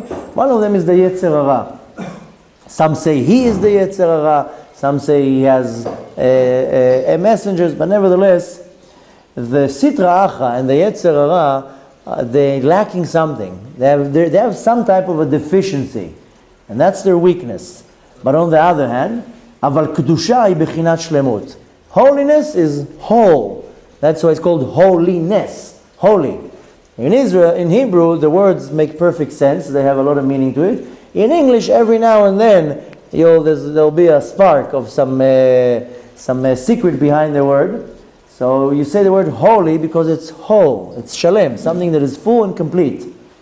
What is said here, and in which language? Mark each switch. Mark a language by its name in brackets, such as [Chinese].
[English] One of them is the Yetzer Hara. Some say he is the Yetzer Hara. Some say he has messengers. But nevertheless, the Sit Ra'acha and the Yetzer Hara, they're lacking something. They have some type of a deficiency. And that's their weakness. But on the other hand, [Hebrew] אבל קדושה היא בחינת שלמות. [English] Holiness is whole. That's why it's called holiness. Holy. In Israel, in Hebrew, the words make perfect sense. They have a lot of meaning to it. In English, every now and then, there'll be a spark of some secret behind the word. So you say the word holy because it's whole. It's shalem, something that is full and complete.